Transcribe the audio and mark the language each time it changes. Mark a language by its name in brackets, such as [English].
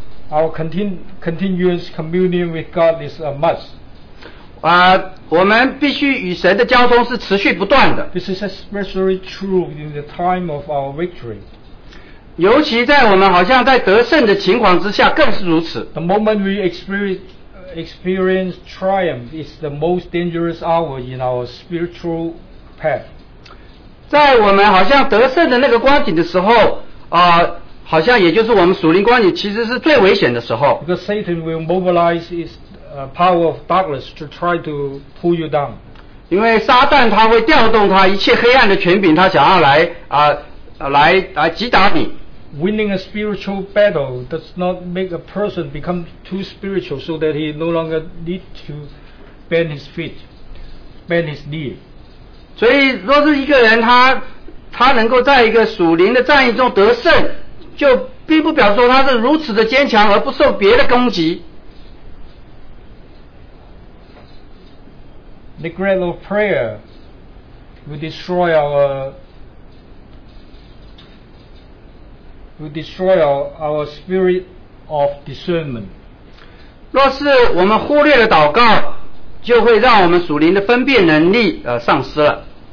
[English] Our continuous communion with God is a must. [Chinese] 我们必须与神的交通是持续不断的。 [English] This is especially true in the time of our victory. [Chinese] 尤其在我们好像在得胜的情况之下更是如此。 [English] The moment we experience triumph is the most dangerous hour in our spiritual path. [Chinese] 在我们好像得胜的那个光景的时候、好像也就是我们属灵光景其实是最危险的时候。 [English] Because Satan will mobilize his power of darkness to try to pull you down. [Chinese] 因为撒旦他会调动他一切黑暗的权柄，他想要来啊、来击打你。 [English] Winning a spiritual battle does not make a person become too spiritual so that he no longer need to bend his knee. [Chinese] 所以，若是一个人他能够在一个属灵的战役中得胜，就并不表示说他是如此的坚强而不受别的攻击。 [English] Neglect of prayer will destroy our spirit of discernment. [Chinese] 若是我们忽略了祷告，就会让我们属灵的分辨能力丧失了。